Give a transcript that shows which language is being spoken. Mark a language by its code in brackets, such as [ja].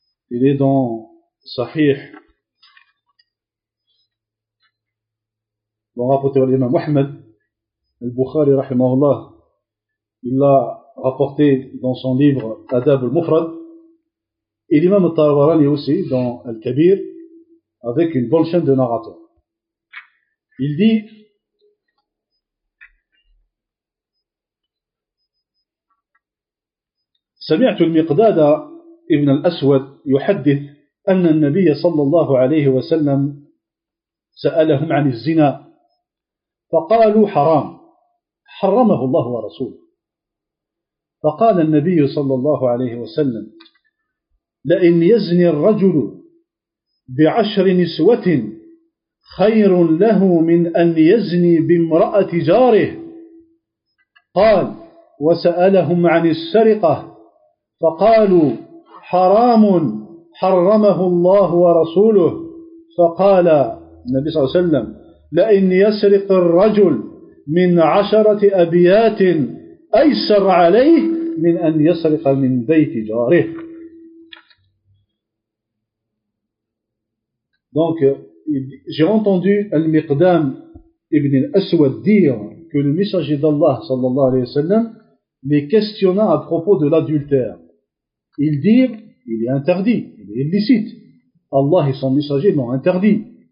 [fr] Il est dans Sahih, dans le rapporté par l'imam Ahmed, al-Bukhari rahimahullah, il l'a rapporté dans son livre Adab al-Mufrad, et l'imam al-Tabarani aussi dans Al-Kabir, avec une bonne chaîne de narrateurs. Il dit, [ar] سمعت المقداد ابن الأسود يحدث أن النبي صلى الله عليه وسلم سألهم عن الزنا فقالوا حرام حرمه الله ورسوله فقال النبي صلى الله عليه وسلم لئن يزني الرجل بعشر نسوة خير له من أن يزني بامرأة جاره. قال وسألهم عن السرقة فقالوا حرام حرمه الله ورسوله. فقال النبي صلى الله عليه وسلم لئن يسرق الرجل من عشرة أبيات أيسر عليه من أن يسرق من بيت جاره. [fr] Donc, j'ai entendu Al-Miqdam ibn al-Aswad dire que le messager d'Allah, sallallahu alayhi wa sallam, les questionna à propos de l'adultère. Ils dirent, il est interdit, il est illicite. Allah et son messager l'ont interdit.